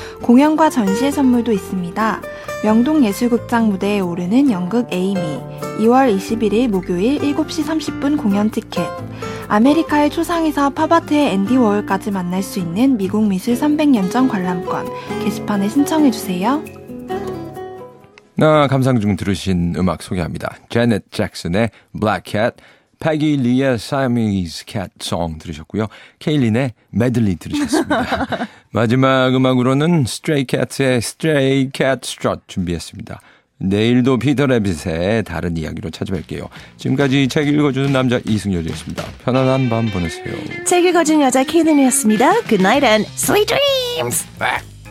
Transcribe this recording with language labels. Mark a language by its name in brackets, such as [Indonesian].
[Korean] 공연과 전시의 선물도 있습니다. 명동예술극장 무대에 오르는 연극 에이미, 2월 21일 목요일 7시 30분 공연 티켓, 아메리카의 초상에서 팝아트의 앤디 워홀까지 만날 수 있는 미국 미술 300년전 관람권, 게시판에 신청해주세요. 아, 감상 중 들으신 음악 소개합니다. 제넷 잭슨의 Black Cat, 패기 리의 Siamese Cat Song 들으셨고요. 케일린의 Medley 들으셨습니다. 마지막 음악으로는 Stray Cat의 Stray Cat Strut 준비했습니다. 내일도 피터 래빗의 다른 이야기로 찾아뵐게요. 지금까지 책 읽어주는 남자 이승열이었습니다. 편안한 밤 보내세요. 책 읽어주는 여자 케일린이었습니다. [English] Good night and sweet dreams!